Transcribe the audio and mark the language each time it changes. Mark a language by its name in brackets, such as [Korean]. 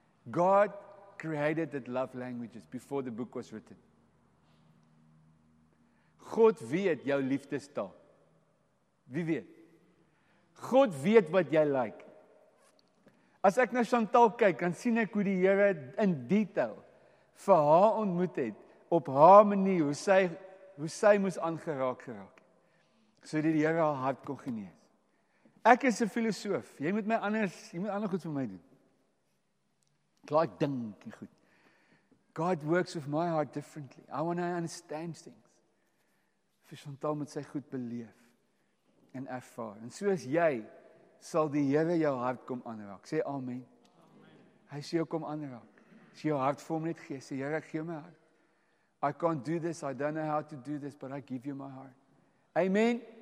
[English] God created that love languages before the book was written. [Afrikaans] God weet jou liefdestaal. Wie weet? God weet wat jy like. As ek na Chantal kyk, dan sien ek hoe die Here in detail vir haar ontmoet het, op haar manier, hoe sy moes aangeraak geraak. So die Here haar hart kon genees. Ek is 'n filosoof. Jy moet ander goed vir my doen. Klaar dink en goed. [English] God works with my heart differently. I want to understand things. [Afrikaans] Vir Chantal met sy goed beleef en ervaar. En soos jy, sal die Here jou hart kom aanraak. Sê amen. Hy sê jou kom aanraak. Sê jou hart vir hom net gee. Sê Here, ek gee my hart. [English] I can't do this, I don't know how to do this, but I give you my heart. Amen.